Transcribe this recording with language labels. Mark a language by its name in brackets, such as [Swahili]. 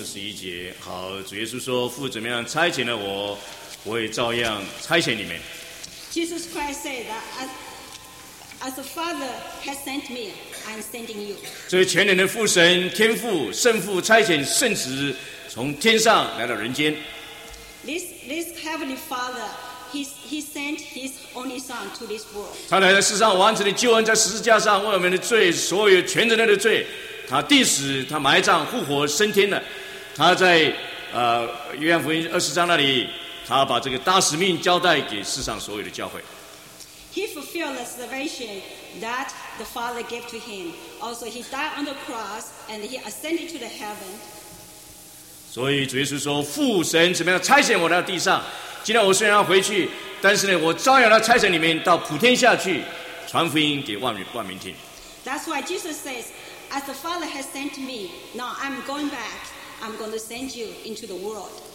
[Chinese] 主耶稣说：“父怎么样差遣了我，我也照样差遣你们。” [English] Jesus Christ said that as the Father has sent me, I'm sending you. [Chinese] 这位全能的父神、天父、圣父差遣圣子从天上来到人间。 [English] This heavenly Father, he sent his only Son to this world. [Chinese] 他来到世上完成的救恩，在十字架上为我们的罪，所有全人类的罪，他定死，他埋葬，复活升天了，他在。约翰福音20那里，他把这个大使命交代给世上所有的教会。 [English] He fulfilled the salvation that the Father gave to him. Also, he died on the cross and he ascended to the heaven. [Chinese] 所以主耶稣说，父神怎么样差遣我到地上？今天我虽然要回去，但是呢，我照样来差遣你们到普天下去传福音给万民听。 [English] That's why Jesus says, as the Father has sent me, now I'm going back. I'm going to send you into the world.